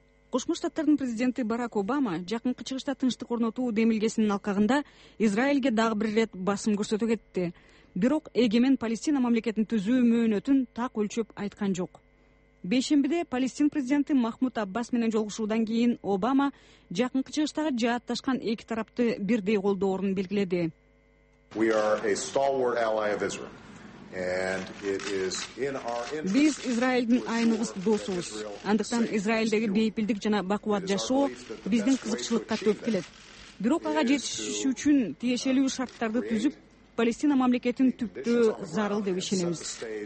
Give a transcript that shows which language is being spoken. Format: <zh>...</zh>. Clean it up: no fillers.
<ky>Кошмо Штаттардын президенти Барак Обама жакынкы чыгышта тынчтык орнотуу демилгесинин алкагында Израилге дагы бир ирет басым көрсөтө кетти. Бирок эгемен Палестина мамлекетин түзүү мөөнөтүн так өлчөп айткан жок. Бейшембиде Палестин президенти Махмуд Аббас менен жолугушуудан кийин Обама жакынкы чыгыштагы жааташкан эки тарапты бирдей колдоорун белгиледи.</ky> <en>We are a stalwart ally of Israel. And it is in our interest.</en> <ky>Биз Израилдин айныгыс досубуз. Андыктан Израилдеги бейпилдик жана бакуват жашоо биздин кызыкчылыкка төп келет. Бирок ага жетиш үчүн тиешелүү шарттарды түзүп, Палестина мамлекетин түптөө зарыл деп ишенебиз.</ky>